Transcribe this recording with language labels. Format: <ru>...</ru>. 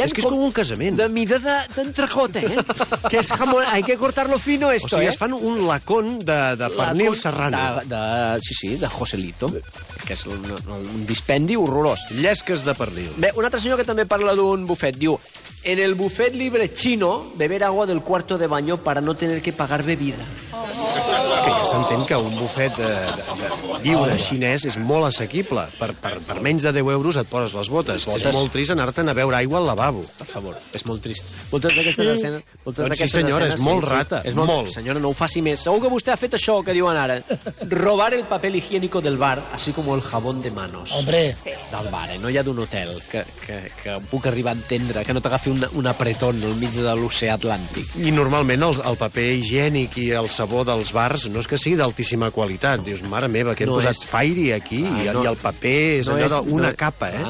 <ca>És que és com un casament. De mida d'entrecot, eh? Que és jamón,</ca> <es>hay que cortarlo fino esto,</es> <ca>o sigui, es fan un lacón de pernil lacón serrano. De Joselito, que és un dispendi horrorós. Llesques de pernil. Bé, un altre senyor que també parla d'un bufet, diu...</ca> <es>En el bufet libre chino, beber agua del cuarto de baño para no tener que pagar bebida.</es> <ca>Que ja s'entén que un bufet lliure xinès és molt assequible. Per menys de 10 euros et poses les botes. És molt trist anar-te'n a beure aigua al lavabo. Per favor, és molt trist. Moltes d'aquestes escenes... Moltes doncs sí, senyora, escenes, és molt rata. És molt. Senyora, no ho faci més. Segur que vostè ha fet això que diuen ara.</ca> <es>Robar el paper higiénico del bar, así como el jabón de manos. Hombre.</es> <ca>Del bar, no hi ha d'un hotel que puc arribar a entendre, que no t'agafi un apretón al mig de l'oceà Atlàntic. I normalment el paper higiènic i el sabó dels bars no és que sigui d'altíssima qualitat. Dius, mare meva, que no hem posat Fairy aquí i el paper és no allò d'una capa, eh?</ca>